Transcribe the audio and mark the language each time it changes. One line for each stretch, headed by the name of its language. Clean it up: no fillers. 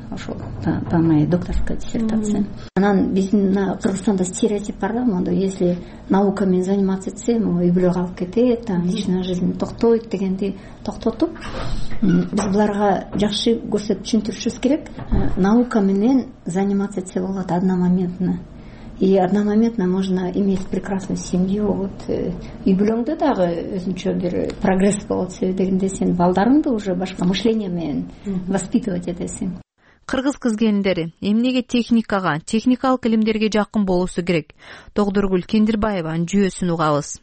Kyrgyz: Ошол
Russian: по моей докторской диссертации.
Kyrgyz: Анан биздин Кыргызстанда стереотип бар да, мондай
Russian: если науками заниматься
Kyrgyz: тем, үй бүлөгө алып кетет,
Russian: там личная жизнь
Kyrgyz: токтойт дегенди токтотуп, биз буларга жакшы көрсөтүп түшүнтүрүшүбүз керек. Наука менен заниматься тем болот одномоментно.
Russian: И одномоментно можно иметь прекрасную семью.
Kyrgyz: Вот и бүлөңдө дагы өзүнчө бир прогресс болот себеп дегенде сен балдарыңды уже башка мышление менен воспитывать этесиң. кыргыз кыз келиндери эмнеге техникага, техникалык илимдерге жакын болуусу керек? Тогдургүл Кендирбаеванын жүйөсүн угабыз.